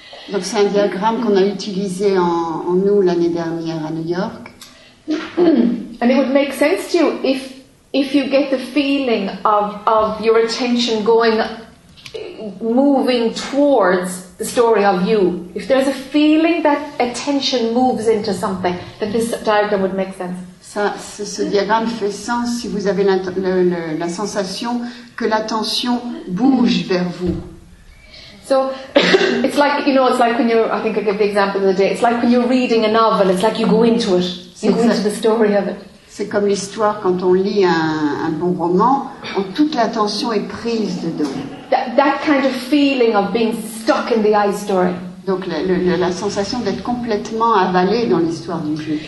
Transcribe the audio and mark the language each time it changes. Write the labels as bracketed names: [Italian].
[French] Donc c'est un diagramme qu'on a utilisé en août l'année dernière à New York. [English] And it would make sense to you if you get the feeling of your attention going, moving towards the story of you. If there's a feeling that attention moves into something, then this diagram would make sense. [French] Ça, ce diagramme fait sens si vous avez la sensation que l'attention bouge vers vous. [English] So it's like, you know, it's like when you're, I think I gave the example of the day, it's like when you're reading a novel, it's like you go into it, you go into the story of it. [French] C'est comme l'histoire quand on lit un bon roman, où toute l'attention est prise dedans. [English] That kind of feeling of being stuck in the I story. [French] Donc la sensation d'être complètement avalé dans l'histoire du jeu.